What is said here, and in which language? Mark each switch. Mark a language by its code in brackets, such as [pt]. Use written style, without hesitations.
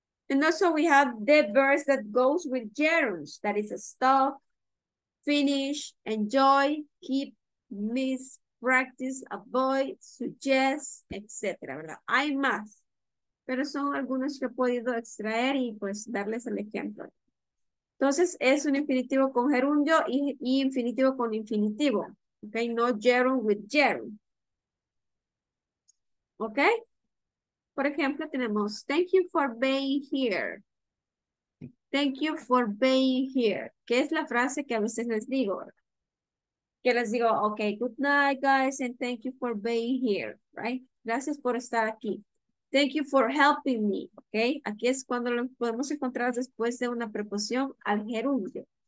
[en] And also we have the verbs that goes with gerunds, that is a stop, finish, enjoy, keep, miss, practice, avoid, suggest, etc. [es] Hay más, pero son algunos que he podido extraer y pues darles el ejemplo. Entonces es un infinitivo con gerundio y infinitivo con infinitivo. [en] Okay, no gerund with gerund. Okay. Por ejemplo, tenemos, thank you for being here. Thank you for being here. [es] Que es la frase que a veces les digo. [en] Que les digo, okay, good night, guys, and thank you for being here, right? Gracias por estar aquí. Thank you for helping me, okay? [es] Aquí es cuando lo podemos encontrar después de una preposición al gerundio.